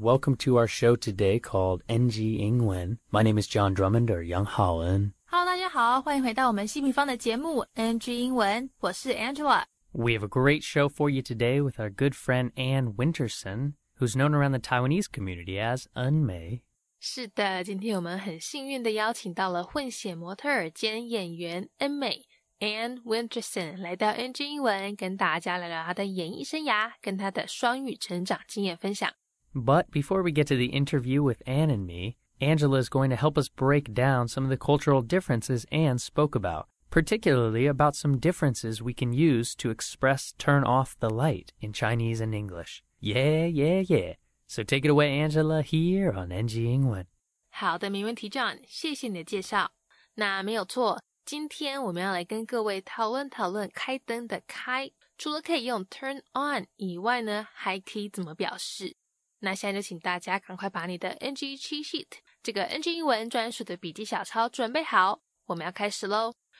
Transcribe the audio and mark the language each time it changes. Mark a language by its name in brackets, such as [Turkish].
[English] Welcome to our show today called NG Ingwen. My name is John Drummond, or Yang Haoen. [Chinese] Hello, 大家好，欢迎回到我们西平方的节目 NG 英文。我是 Angela. [English] We have a great show for you today with our good friend Anne Winterson, who's known around the Taiwanese community as 恩美。 [Chinese] 是的，今天我们很幸运地邀请到了混血模特儿兼演员恩美 Anne Winterson 来到 NG 英文，跟大家聊聊她的演艺生涯，跟她的双语成长经验分享。 [English] But before we get to the interview with Anne and me,Angela is going to help us break down some of the cultural differences Anne spoke about, particularly about some differences we can use to express turn off the light in Chinese and English. Yeah. So take it away, Angela, here on NG 英文。 [Chinese] 好的，没问题 ,John, 谢谢你的介绍。那没有错，今天我们要来跟各位讨论讨论开灯的开。除了可以用 turn on 以外呢，还可以怎么表示。那现在就请大家赶快把你的 NG Cheat Sheet 这个 NG 英文专属的笔记小抄准备好，我们要开始咯。